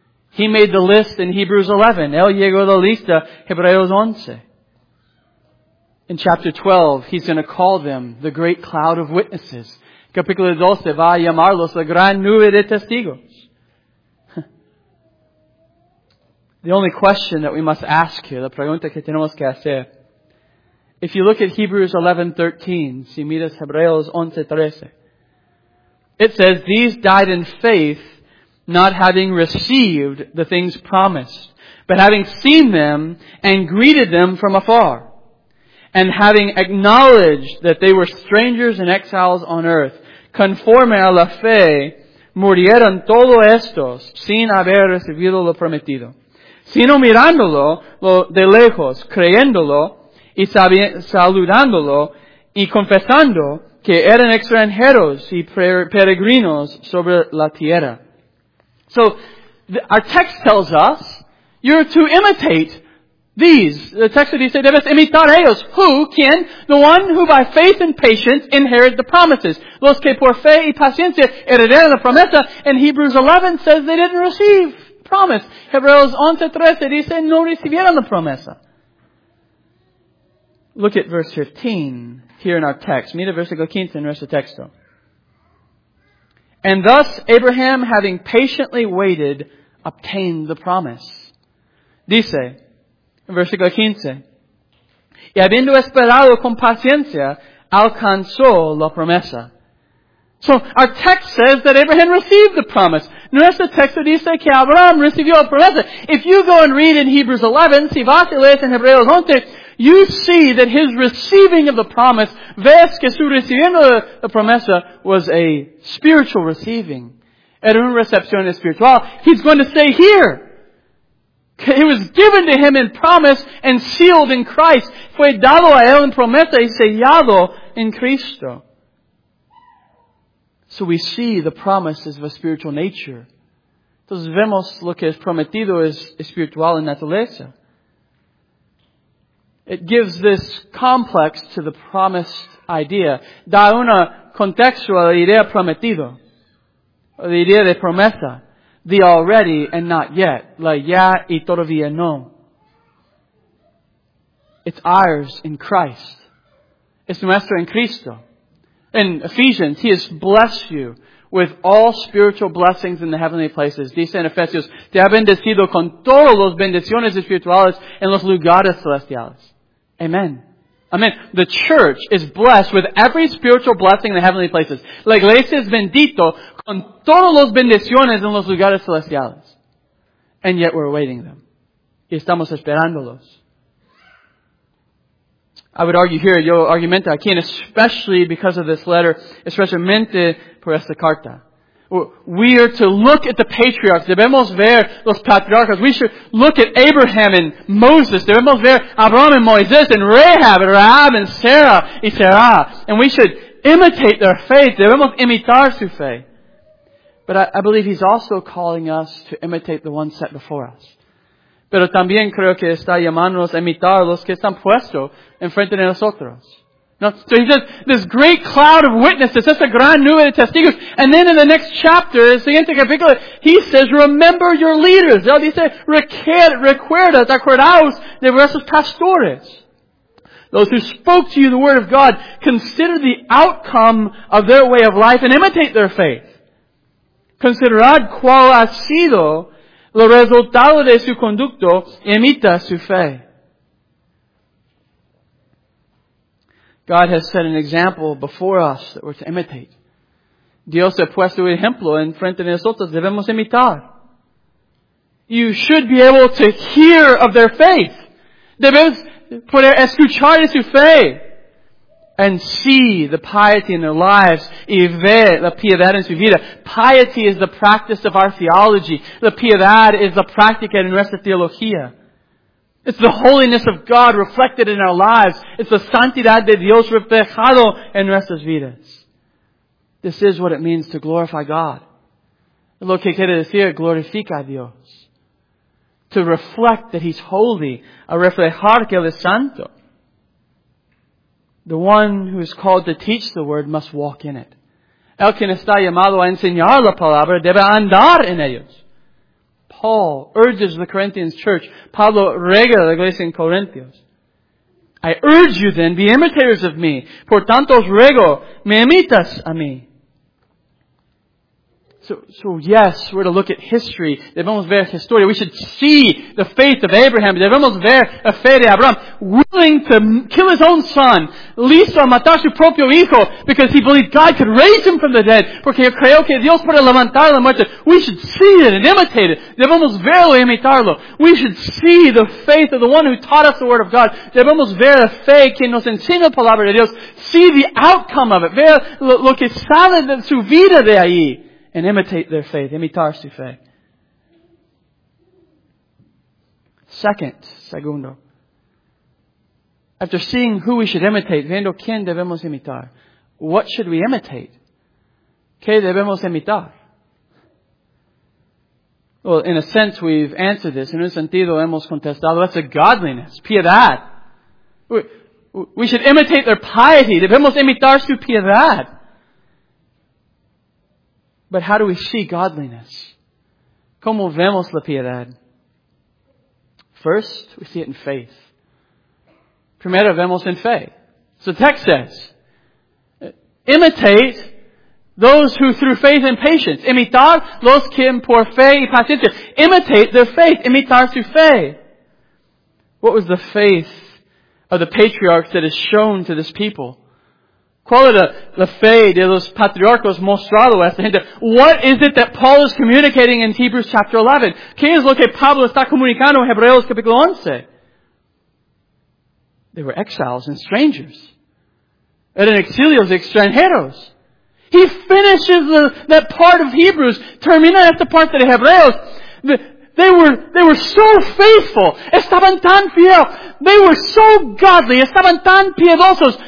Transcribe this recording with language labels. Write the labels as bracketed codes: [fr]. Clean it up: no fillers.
[en] He made the list in Hebrews 11. [es] Él llegó a la lista, Hebreos 11. [en] In chapter 12, he's going to call them the great cloud of witnesses. [es] Capítulo 12 va a llamarlos la gran nube de testigos. [en] The only question that we must ask here, [es] la pregunta que tenemos que hacer. [en] If you look at Hebrews 11:13, [es] si miras Hebreos 11:13. [en] It says, these died in faith, not having received the things promised, but having seen them and greeted them from afar, and having acknowledged that they were strangers and exiles on earth, [es] conforme a la fe, murieron todos estos sin haber recibido lo prometido, sino mirándolo de lejos, creyéndolo y saludándolo y confesando que eran extranjeros y peregrinos sobre la tierra. [en] So, our text tells us, you're to imitate these. The text says, [es] debes imitar ellos. [en] Who? [es] ¿Quién? [en] The one who by faith and patience inherit the promises. [es] Los que por fe y paciencia heredaron la promesa. [en] And Hebrews 11 says they didn't receive promise. [es] Hebreos 11:13 dice, no recibieron la promesa. [en] Look at verse 15 here in our text. [es] Mira versículo 15 en nuestro texto. [en] And thus Abraham, having patiently waited, obtained the promise. [es] Dice, versículo 15. Y habiendo esperado con paciencia, alcanzó la promesa. [en] So our text says that Abraham received the promise. [es] Nuestro texto dice que Abraham recibió promesa. [en] If you go and read in Hebrews 11, [es] si vas y lees en Hebreos 11, [en] you see that his receiving of the promise, [es] ves que su recibiendo la promesa [en] was a spiritual receiving. [es] Era una recepción espiritual. [en] He's going to stay here. It was given to him in promise and sealed in Christ. [es] Fue dado a él en promesa y sellado en Cristo. [en] So we see the promise is of a spiritual nature. [es] Entonces vemos lo que es prometido es espiritual en naturaleza. [en] It gives this complex to the promised idea. [es] Da una contexto a la idea prometido. La idea de promesa. [en] The already and not yet. [es] La ya y todavía no. [en] It's ours in Christ. [es] Es nuestro en Cristo. [en] In Ephesians, he has blessed you with all spiritual blessings in the heavenly places. [es] Dice en Efesios, te ha bendecido con todos los bendiciones espirituales en los lugares celestiales. [en] Amen. Amen. The church is blessed with every spiritual blessing in the heavenly places. [es] La iglesia es bendito con todos los bendiciones en los lugares celestiales. [en] And yet we're awaiting them. [es] Y estamos esperándolos. [en] I would argue here, [es] yo argumento aquí, [en] and especially because of this letter, [es] especialmente por esta carta. [en] We are to look at the patriarchs. [es] Debemos ver los patriarcas. [en] We should look at Abraham and Moses. [es] Debemos ver Abraham [en] and Moisés and Rahab and Rahab and Sarah [es] y Sarah. [en] And we should imitate their faith. [es] Debemos imitar su fe. [en] But I believe he's also calling us to imitate the ones set before us. [es] Pero también creo que está llamándonos a imitar los que están puestos enfrente de nosotros. [en] Now, so he says, this great cloud of witnesses, [es] esta gran nube de testigos. [en] And then in the next chapter, [es] el siguiente capítulo, [en] he says, remember your leaders. [es] Él dice, recuerda, acordaos de vuestros pastores. [en] Those who spoke to you the word of God, consider the outcome of their way of life and imitate their faith. [es] Considerad cuál ha sido lo resultado de su conducto, imita su fe. [en] God has set an example before us that we're to imitate. [es] Dios ha puesto un ejemplo en frente de nosotros, debemos imitar. [en] You should be able to hear of their faith. [es] Debemos poder escuchar de su fe. [en] And see the piety in their lives. [es] Y ver la piedad en su vida. [en] Piety is the practice of our theology. [es] La piedad [en] is the practice in [es] nuestra teología. [en] It's the holiness of God reflected in our lives. It's the [es] santidad de Dios reflejado en nuestras vidas. [en] This is what it means to glorify God. [es] Lo que quiere decir, glorifica a Dios. [en] To reflect that He's holy. [es] A reflejar que Él es santo. [en] The one who is called to teach the word must walk in it. [es] El quien está llamado a enseñar la palabra debe andar en ellos. [en] Paul urges the Corinthians church. [es] Pablo rega la iglesia en Corintios. [en] I urge you then, be imitators of me. [es] Por tanto os ruego, me imitas a mí. [en] So yes, we're to look at history. [es] Debemos ver historia. [en] We should see the faith of Abraham. [es] Debemos ver la fe de Abraham. [en] Willing to kill his own son. [es] Listo a matar su propio hijo. [en] Because he believed God could raise him from the dead. [es] Porque creo que Dios puede levantar la muerte. [en] We should see it and imitate it. [es] Debemos verlo y imitarlo. [en] We should see the faith of the one who taught us the word of God. [es] Debemos ver la fe que nos enseña la palabra de Dios. [en] See the outcome of it. [es] Ver lo que sale de su vida de ahí. [en] And imitate their faith. [es] Imitar su fe. Segundo. [en] After seeing who we should imitate, [es] viendo quién debemos imitar, [en] what should we imitate? [es] ¿Qué debemos imitar? [en] Well, in a sense, we've answered this. [es] En un sentido, hemos contestado. [en] That's a godliness. [es] Piedad. [en] We should imitate their piety. [es] Debemos imitar su piedad. [en] But how do we see godliness? [es] ¿Cómo vemos la piedad? [en] First, we see it in faith. [es] Primero, vemos en fe. [en] So the text says, imitate those who through faith and patience. [es] Imitar los que por fe y paciencia. [en] Imitate their faith. [es] Imitar su fe. [en] What was the faith of the patriarchs that is shown to this people? [es] ¿Cuál era la fe de los patriarcas mostrado a esta gente? [en] What is it that Paul is communicating in Hebrews chapter 11? [es] ¿Qué es lo que Pablo está comunicando en Hebreos capítulo 11? [en] They were exiles and strangers. [es] Eran exilios extranjeros. [en] He finishes that part of Hebrews, [es] termina esta parte de Hebreos. [en] They were so faithful. [es] Estaban tan fiel. [en] They were so godly. [es] Estaban tan piedosos.